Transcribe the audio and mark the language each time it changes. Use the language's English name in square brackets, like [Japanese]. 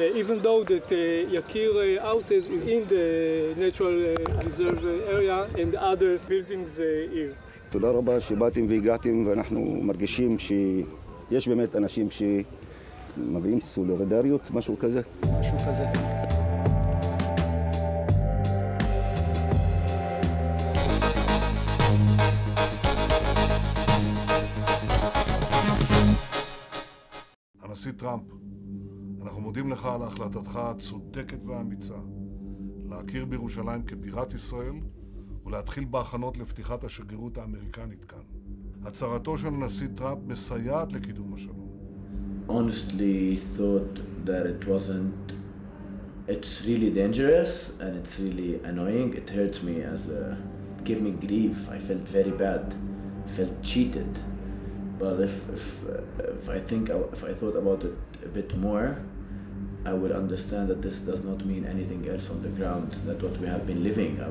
[English] Even though that Yakir houses is in the natural reserve area and other buildings here. [Hebrew] תודה רבה שבאתם והגעתם ואנחנו מרגישים ש יש באמת אנשים שמביאים סולידריות, משהו כזה. משהו כזה. הנשיא טראמפ, אנחנו מודים לך על החלטתך הצודקת והאמיצה להכיר בירושלים כבירת ישראל ולהתחיל בהכנות לפתיחת השגרירות האמריקנית כאן. הצהרתו של הנשיא טראמפ מסייעת לקידום השלום. [English] Honestly thought that it wasn't, it's really dangerous and it's really annoying. It hurts me as a, gave me grief. I felt very bad, felt cheated. But if I thought about it a bit more, I would understand that this does not mean anything else on the ground than what we have been living.